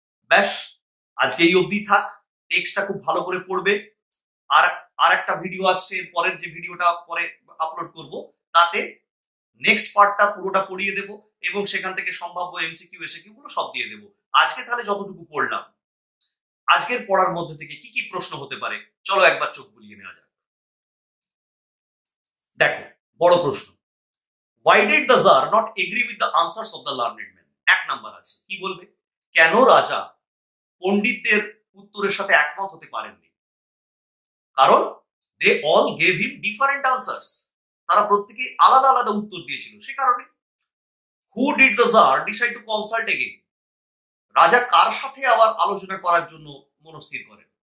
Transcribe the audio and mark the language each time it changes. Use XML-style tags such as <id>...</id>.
<bn>ব্যাস, আজকে এই অবধি থাক, টেক্সটটা খুব ভালো করে পড়বে, আর একটা ভিডিও আসছে, পরের যে ভিডিওটা পরে আপলোড করব, তাতে নেক্সট পার্টটা পুরোটা পড়িয়ে দেব এবং সেখান থেকে সম্ভাব্য এমসিকিউ এসএকিউগুলো সব দিয়ে দেব। আজকে তাহলে যতটুকু পড়লাম, আজকের পড়ার মধ্যে থেকে কি কি প্রশ্ন হতে পারে চলো একবার চোখ বুলিয়ে নেওয়া যাক। দেখো বড় প্রশ্ন,</bn> <en>Why did the Tsar not agree with the answers of the learned men?</en> <bn>এক নাম্বার আছে, কি বলবে? কেন রাজা পণ্ডিতদের উত্তরের সাথে একমত হতে পারেননি? কারণ</bn> <en>they all gave him different answers,</en> <bn>তারা প্রত্যেকে আলাদা আলাদা উত্তর দিয়েছিল সে কারণে।</bn> <en>who did the tsar decide to consult again,</en> <bn>রাজা কার সাথে আবার আলোচনা করার জন্য মনস্থির করেন?</bn>